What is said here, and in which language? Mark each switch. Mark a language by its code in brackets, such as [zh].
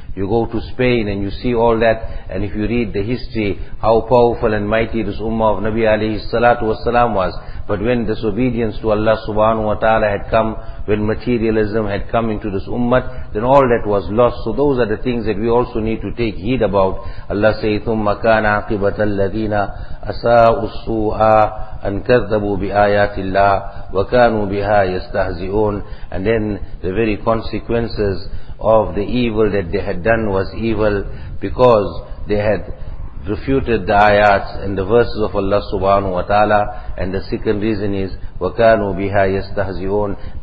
[en] You go to Spain and you see all that, and if you read the history, how powerful and mighty this Ummah of Nabi alayhi salatu wasalam was. But when disobedience to Allah subhanahu wa ta'ala had come, when materialism had come into this ummah, then all that was lost. So those are the things that we also need to take heed about. Allah says, [ar] ثُمَّ كَانَ عَقِبَةَ الَّذِينَ أَسَاءُ السُّوءَ أَنْ كَذَّبُوا بِآيَاتِ اللَّهِ وَكَانُوا بِهَا يَسْتَهْزِئُونَ. [en] And then the very consequences of the evil that they had done was evil because they had refuted the ayats and the verses of Allah subhanahu wa ta'ala. And the second reason is [ar] وَكَانُوا بِهَا يَسْتَهْزِئُونَ.